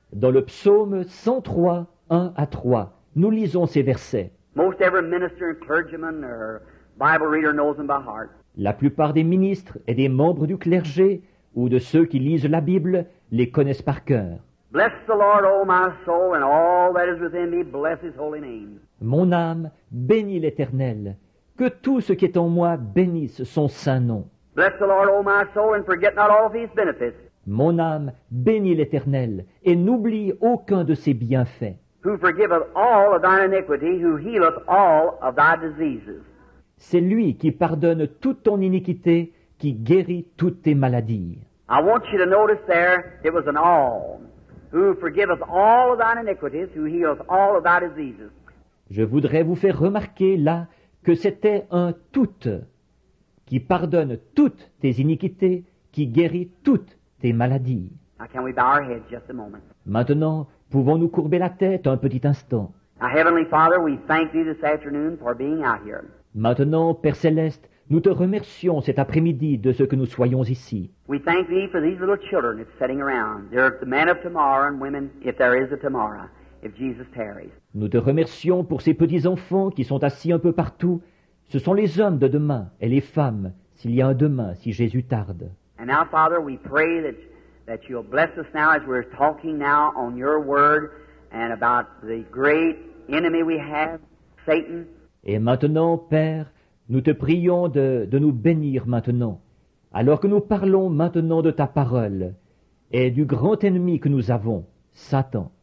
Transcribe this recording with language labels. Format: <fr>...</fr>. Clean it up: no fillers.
<fr>Dans le psaume 103, 1-3, nous lisons ces versets.</fr> <en>Most every minister and clergyman or Bible reader knows them by heart.</en> <fr>La plupart des ministres et des membres du clergé ou de ceux qui lisent la Bible les connaissent par cœur.</fr> <en>Bless the Lord, O my soul, and all that is within me, bless his holy name.</en> <fr>Mon âme, bénis l'Éternel. Que tout ce qui est en moi bénisse son saint nom.</fr> <en>Bless the Lord, O my soul, and forget not all of his benefits.</en> <fr>Mon âme, bénis l'Éternel, et n'oublie aucun de ses bienfaits.</fr> <en>Who forgiveth all of thine iniquity, who healeth all of thy diseases.</en> <fr>C'est lui qui pardonne toute ton iniquité, qui guérit toutes tes maladies.</fr> <en>I want you to notice there, it was an all. Who forgiveth all of thine iniquities, who healeth all of thy diseases.</en> <fr>Je voudrais vous faire remarquer là que c'était un tout qui pardonne toutes tes iniquités, qui guérit toutes tes maladies.</fr> <en>Now, can we bow our heads just a moment?</en> <fr>Maintenant, pouvons-nous courber la tête un petit instant?</fr> <en>Now, Heavenly Father, we thank thee this afternoon for being out here.</en> <fr>Maintenant, Père Céleste, nous te remercions cet après-midi de ce que nous soyons ici.</fr> <en>We thank thee for these little children that's sitting around. They're the men of tomorrow and women, if there is a tomorrow, if Jesus tarries.</en> <fr>Nous te remercions pour ces petits-enfants qui sont assis un peu partout. Ce sont les hommes de demain et les femmes, s'il y a un demain, si Jésus tarde.</fr> <en>And now, Father, we pray that you'll bless us now as we're talking now on your word and about the great enemy we have, Satan.</en> <fr>Et maintenant, Père, nous te prions de nous bénir maintenant, alors que nous parlons maintenant de ta parole et du grand ennemi que nous avons, Satan.</fr>